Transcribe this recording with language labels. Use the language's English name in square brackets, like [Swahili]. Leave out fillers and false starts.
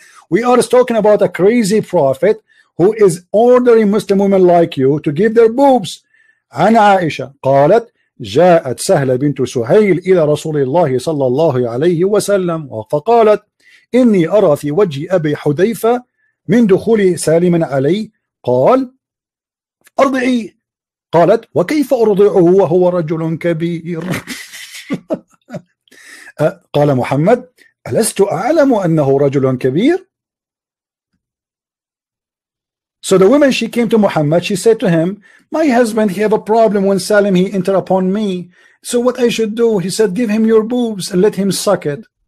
[English] We are talking about a crazy prophet who is ordering Muslim women like you to give their boobs. [Arabic] And Aisha قالت جاءت سهلة بنت سهيل إلى رسول الله صلى الله عليه وسلم فقالت إني أرى في وجه أبي حذيفة من دخول سالما علي قال أرضعي قالت وكيف أرضعه وهو رجل كبير قال محمد ألست أعلم أنه رجل كبير [English] So the woman, she came to Muhammad, she said to him, My husband, he have a problem when Salim, he enter upon me. So what I should do? He said, give him your boobs and let him suck it.